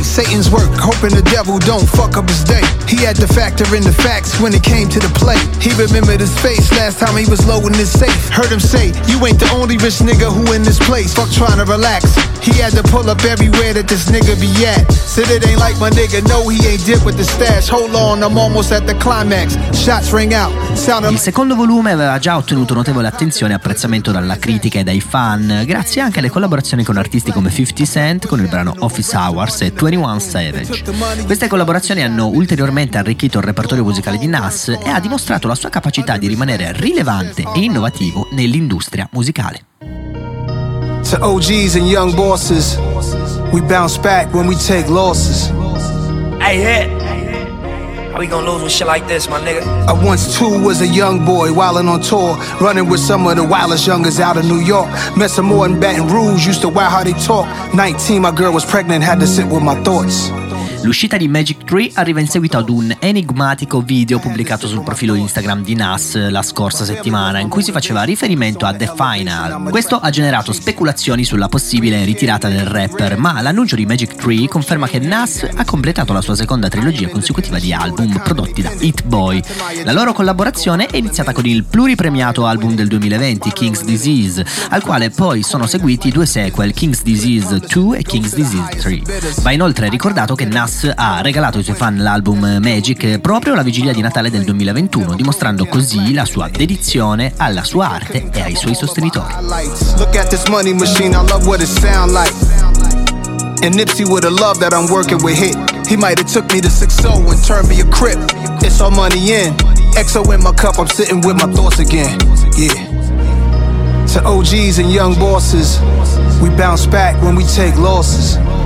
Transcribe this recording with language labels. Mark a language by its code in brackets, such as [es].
[en] Satan's work, hoping the devil don't fuck up his day. He had to factor in the facts when it came to the play. He remembered his face last time he was low in his safe. Heard him say, you ain't the only rich nigga who in this place. Fuck trying to relax. He had to pull up everywhere that this nigga be at. Said it ain't like my nigga, no he ain't dip with the stash. Hold on, I'm almost at the climax. Shots ring out. [it] Il secondo volume aveva già ottenuto notevole attenzione e apprezzamento dalla critica e dai fan, grazie anche alle collaborazioni con artisti come 50 Cent con il brano Office Hours e 21 Savage. Queste collaborazioni hanno ulteriormente arricchito il repertorio musicale di Nas e ha dimostrato la sua capacità di rimanere rilevante e innovativo nell'industria musicale. [en] To OGs and young bosses, we bounce back when we take losses. Hey, hit. How we gonna lose with shit like this, my nigga? I once too was a young boy wildin' on tour, running with some of the wildest youngers out of New York. Met some more in Baton Rouge, used to wild how they talk. 19, my girl was pregnant, had to sit with my thoughts. [it] L'uscita di Magic 3 arriva in seguito ad un enigmatico video pubblicato sul profilo Instagram di Nas la scorsa settimana, in cui si faceva riferimento a The Final. Questo ha generato speculazioni sulla possibile ritirata del rapper, ma l'annuncio di Magic 3 conferma che Nas ha completato la sua seconda trilogia consecutiva di album prodotti da Hit Boy. La loro collaborazione è iniziata con il pluripremiato album del 2020, King's Disease, al quale poi sono seguiti due sequel, King's Disease 2 e King's Disease 3. Va inoltre ricordato che Nas ha regalato ai suoi fan l'album Magic proprio la vigilia di Natale del 2021, dimostrando così la sua dedizione alla sua arte e ai suoi sostenitori. [en] Look at this money machine, I love what it sound like. And Nipsey with the love that I'm working with hit. He might have took me to 6-0 and turned me a crip. It's all money in. XO in my cup, I'm sitting with my thoughts again. Yeah. To OGs and young bosses, we bounce back when we take losses.